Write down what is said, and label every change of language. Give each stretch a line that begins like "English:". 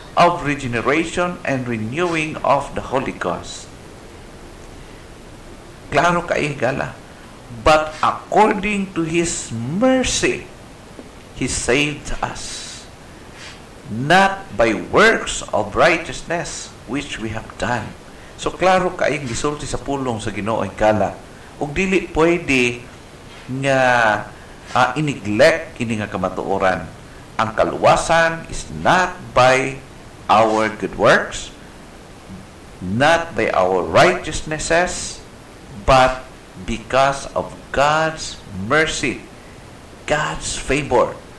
English: of regeneration and renewing of the Holy Ghost.
Cebuano: Klaro kay gala,
English: but according to His mercy, He saved us, not by works of righteousness which we have done.
Cebuano: So klaro kay gisulti sa pulong sa Ginoo ay gala, ug dili pwede nga i-neglect kini nga kamatuoran. Ang kaluwasan
English: is not by our good works, not by our righteousnesses, but because of God's mercy, God's favor.